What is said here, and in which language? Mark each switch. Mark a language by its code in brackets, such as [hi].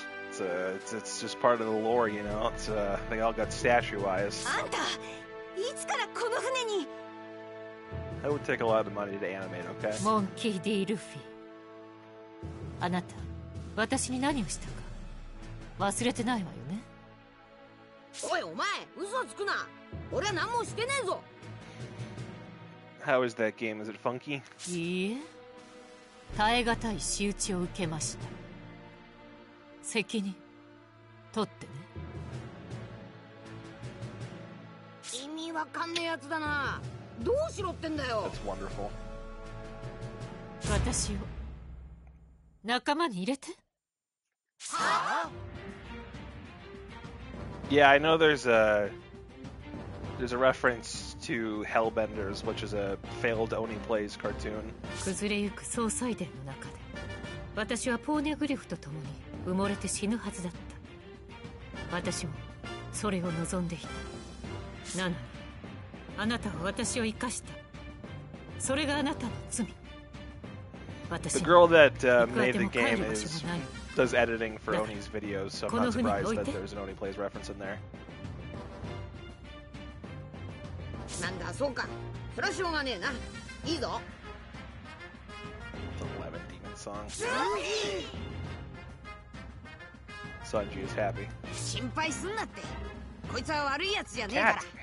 [en] it's just part of the lore, you know. It's they all got statue-wise. [ja] あんた、いつからこの船に。 [en] That would take a lot of money to animate, okay? [ja] モンキー D. ルフィ、あなた、私に何をしたか忘れてないわよね。おいお前、嘘つくな。俺は何もしてねえぞ。 [en] How is that game? Is it funky? [ja] いいえ、耐え難い仕打ちを受けました。責任取ってね。意味わかんねえやつだな。どうしろってんだよ。 [en] That's wonderful. [ja] 私を仲間に入れて。はあ。 [en] Yeah, I know there's a reference to Hellbenders, which is a failed Oni Plays cartoon. [ja] 崩れゆく総裁殿の中で、私はポーネグリフと共に埋もれて死ぬはずだった。私もそれを望んでいた。なのに、あなたは私を生かした。それがあなたの罪。 [en] The girl that made the game does editing for Oni's videos, so I'm not surprised that there's an Oni Plays reference in there. [ja] なんだそうか。それはしょうがねえな。いいぞ。 [en] The Lemon Demon Song. Sanji is happy. [ja] 心配すんなって。こいつは悪いやつじゃねえから。